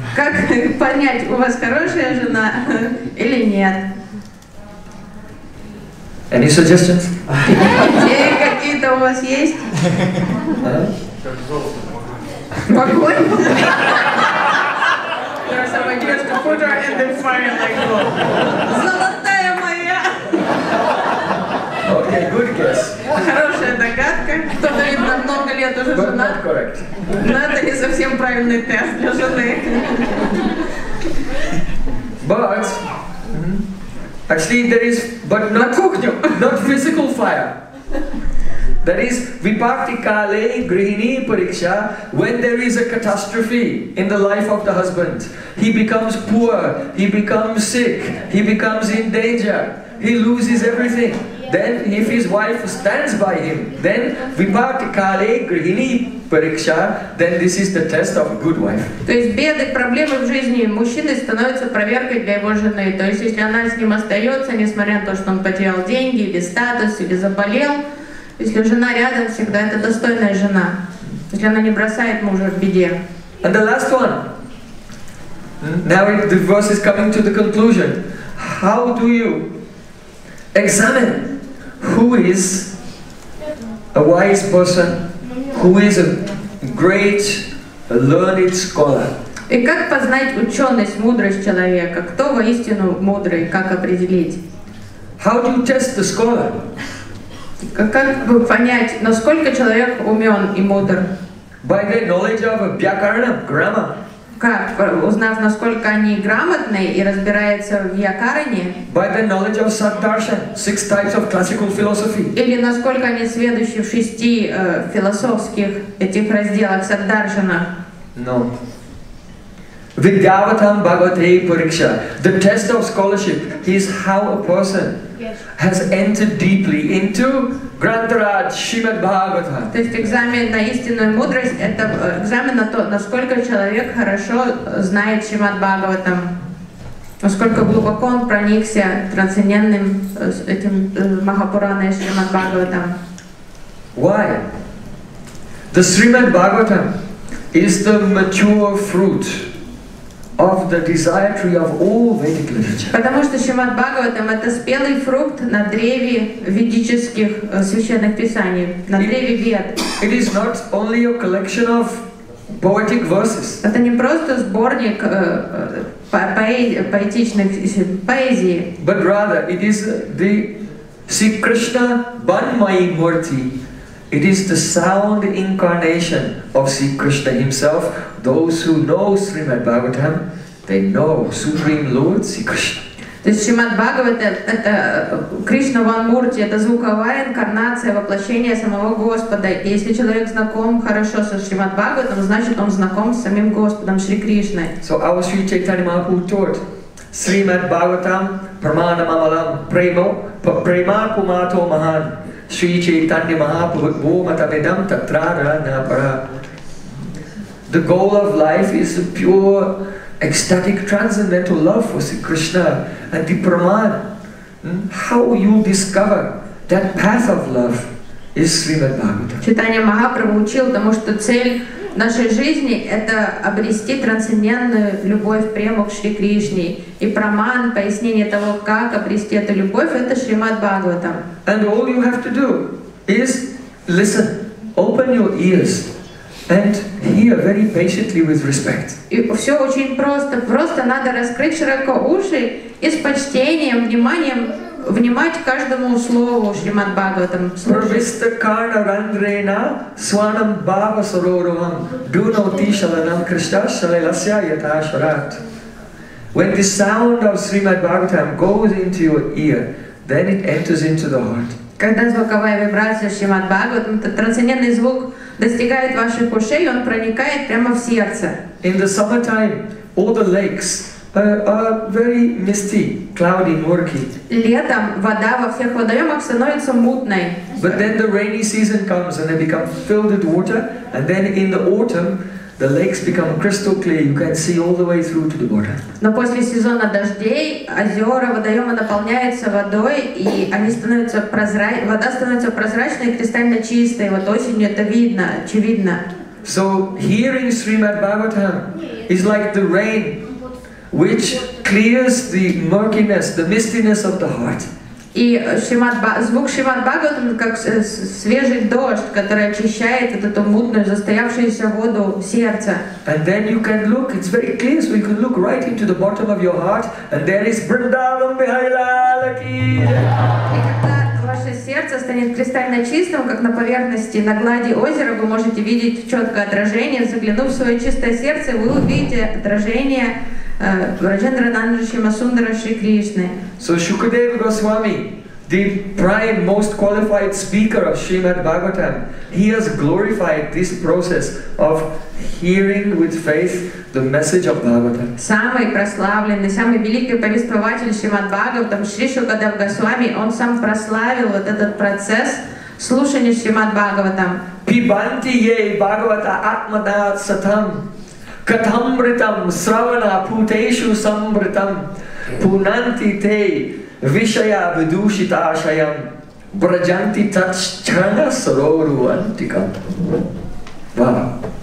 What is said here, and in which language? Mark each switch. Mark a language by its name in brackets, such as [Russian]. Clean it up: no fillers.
[Russian] Как понять, у вас хорошая жена или нет? [English] Any suggestions? [Russian] Идеи какие-то у вас есть? Золотая моя. [English] Okay, good guess. [Russian] Хорошая догадка. Кто-то видно много лет уже женат. Но это не совсем правильный тест для жены. [English] But actually there is, but [Russian] на кухню. [English] Not physical fire. That is [Sanskrit] vipartikale grihini pariksha. [English] When there is a catastrophe in the life of the husband, he becomes poor, he becomes sick, he becomes in danger, he loses everything. Then if his wife stands by him, then [Sanskrit] vipartikale grihini pariksha, [English] then this is the test of a good wife. [Russian] То есть беды, проблемы в жизни мужчины становятся проверкой для его жены. То есть если она с ним остается, несмотря на то, что он потерял деньги или статус, или заболел, если жена рядом всегда, это достойная жена. Если она не бросает мужа в беде. [English] And the last one. Now the verse is coming to the conclusion. How do you examine who is a wise person, who is a great learned scholar? [Russian] И как познать ученость, мудрость человека? Кто воистину мудрый? Как определить? [English] How do you test the scholar? [Russian] Как бы понять, насколько человек умен и мудр? [English] By the knowledge of vyakaranam, grammar. [Russian] Как? Узнав, насколько они грамотны и разбираются в вьякаране? [English] By the knowledge of satdarshan, six types of classical philosophy. [Russian] Или насколько они сведущи в шести философских этих разделах саддаршана? [English] No. [Sanskrit] Vidyavatam bhagavate pariksha. [English] The test of scholarship is how a person has entered deeply into Grantharaj Shrimad Bhagavatam. [Russian] То есть экзамен на истинную мудрость – это экзамен на то, насколько человек хорошо знает Шримад Бхагаватам, насколько глубоко он проникся трансцендентным этим Махапураной Шримад Бхагаватам. [English] Why? The Shrimad Bhagavatam is the mature fruit of the desire tree of all Vedic literature. [Russian] Потому что Шримад Бхагаватам это спелый фрукт на древе ведических священных писаний, на древе Вед. [English] It is not only a collection of poetic verses. [Russian] Это не просто сборник поэзии. [English] But rather it is the Sri Krishna Banmayi Murti. It is the sound incarnation of Sri Krishna himself. Those who know Srimad Bhagavatam, they know Supreme Lord Sri Krishna. [Russian] То есть Шримад Бхагавата – это Кришна Ван Мурти, это звуковая инкарнация, воплощение самого Господа. И если человек знаком хорошо со Шримад Бхагаватом, значит он знаком с самим Господом Шри Кришной. [English] So our Sri Chaitanya Mahaprabhu taught [Sanskrit] Srimad Bhagavatam Pramanam Amalam Premo Prema Kumato Mahan Sri Chaitanya Mahaprabhu Bhumata Vedam Tatrara Napara. [English] The goal of life is a pure ecstatic transcendental love for Sri Krishna and the Praman. How you discover that path of love is Srimad Bhagavatam. [Russian] Chaitanya Mahaprabhu учил, потому что цель нашей жизни это обрести трансцендентную любовь, прему к Шри Кришне. И Праман, пояснение того, как обрести эту любовь, это Шримад Бхагаватам. [English] And all you have to do is listen, open your ears, and hear very patiently with respect. [Russian] И все очень просто. Просто надо раскрыть широко уши и с почтением, вниманием внимать каждому слову Шримад Бхагаватам. [Sanskrit] Прависта карна рандрена сванам бхава сарорувам дуно тишаланам кришта шалеласья ята шарат. [English] When the sound of Srimad Bhagavatam goes into your ear, then it enters into the heart. [Russian] Когда звуковая вибрация Шримад Бхагаватам, этот трансцендентный звук достигает ваших ушей, он проникает прямо в сердце. [English] In the summertime, all the lakes are very misty, cloudy, murky. [Russian] Летом вода во всех водоемах становится мутной. [English] But then the rainy season comes and they become filled with water, and then in the autumn, the lakes become crystal clear. You can see all the way through to the border. [Russian] Но после сезона дождей озера, водоемы наполняются водой, и они становятся вода становится прозрачной, кристально чистой. Вот осенью это видно, очевидно. [English] So hearing Srimad Bhagavatam is like the rain, which clears the murkiness, the mistiness of the heart. [Russian] И звук Шримад Бхагаватам как свежий дождь, который очищает вот эту мутную, застоявшуюся воду сердца. [English] And then you can look, it's very clear, so you can look right into the bottom of your heart, and there is Vrindavan Bihalala Ki. [Russian] И когда ваше сердце станет кристально чистым, как на поверхности, на глади озера, вы можете видеть четкое отражение. Заглянув в свое чистое сердце, вы увидите отражение [English] So Shukadeva Goswami, the prime, most qualified speaker of Srimad Bhagavatam, he has glorified this process of hearing with faith the message of Bhagavatam. [Russian] Самый прославленный, самый великий повествователь Шримад Бхагаватам, Шри Шукадева Госвами, он сам прославил вот этот процесс слушания Шримад Бхагаватам. [Sanskrit] Пибанти ей Бхагавата Атмада Сатам. Катамбритам сравана путешу самбритам пунанти те вишая ведушита ашаям браджанти таччана сарору антикам. Wow.